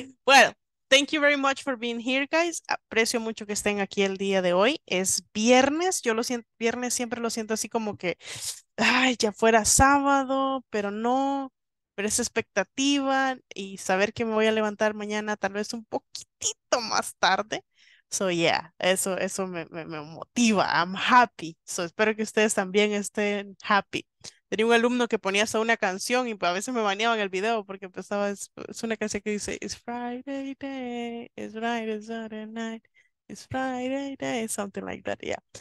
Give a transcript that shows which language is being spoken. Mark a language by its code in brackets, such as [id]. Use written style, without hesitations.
[en] Well, thank you very much for being here, guys. [es] Aprecio mucho que estén aquí el día de hoy. Es viernes. Yo lo siento, viernes siempre lo siento así como que, ay, ya fuera sábado, pero no. Pero esa expectativa y saber que me voy a levantar mañana tal vez un poquitito más tarde. [en] So, yeah, [es] eso me motiva. [en] I'm happy. [es] So, espero que ustedes también estén happy. Tenía un alumno que ponía hasta una canción y a veces me baneaban el video porque empezaba. Es una canción que dice: [en] It's Friday day, it's Friday, it's Saturday night, it's Friday day, something like that, yeah.